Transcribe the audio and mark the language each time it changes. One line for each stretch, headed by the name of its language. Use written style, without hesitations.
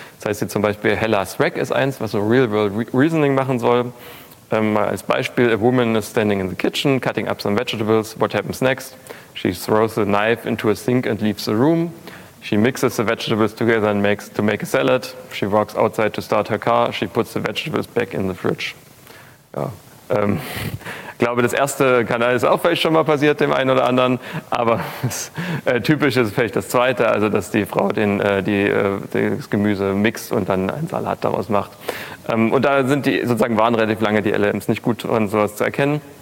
German: Das heißt hier zum Beispiel Hellas Rec ist eins, was so Real-World-Reasoning machen soll. Mal als Beispiel,
English: a woman is standing in the kitchen, cutting up some vegetables. What happens next? She throws a knife into a sink and leaves the room. She mixes the vegetables together and makes a salad. She walks outside to start her car. She puts the vegetables back in the fridge.
German: Ja. Ich glaube, das erste Kanal ist auch vielleicht schon mal passiert, dem einen oder anderen, aber typisch ist vielleicht das zweite, also dass die Frau das Gemüse mixt und dann einen Salat daraus macht. Und da sind die sozusagen waren relativ lange die LLMs nicht gut, um sowas zu erkennen.